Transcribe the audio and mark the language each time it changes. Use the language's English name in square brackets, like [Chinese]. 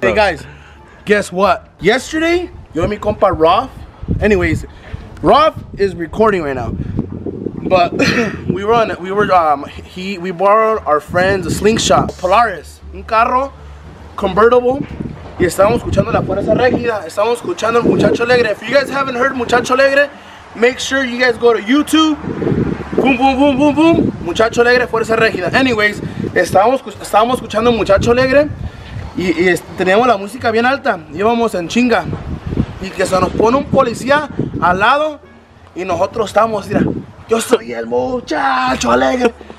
[English] Hey guys, guess what? Yesterday, [Spanish] yo y mi compa [English] Roth. Anyways, Roth is recording right now. But we borrowed our friend's slingshot, Polaris, [Spanish] un carro convertible. Y estábamos escuchando La Fuerza Regida, estábamos escuchando El Muchacho Alegre. [English] If you guys haven't heard Muchacho Alegre, make sure you guys go to YouTube. Boom, boom, boom, boom, boom. Muchacho Alegre, Fuerza Regida. [Spanish] Anyways, estábamos escuchando Muchacho Alegre y teníamos la música bien alta. Íbamos en chinga. Y que se nos pone un policía al lado y nosotros estábamos, mira, yo soy el Muchacho Alegre.